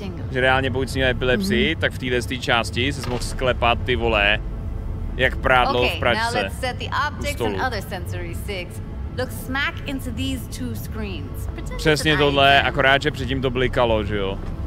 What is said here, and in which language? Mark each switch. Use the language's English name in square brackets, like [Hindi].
[Czech] Že reálně, pokud jsi měl epilepsii, tak v téhle části se mohl sklepat ty vole. Jak prádlo v pračce. [English] Okay, now let's set the optics and other sensory sigs. Look smack into these two screens. [Czech] Přesně tohle, akorát že předtím to blikalo, že jo.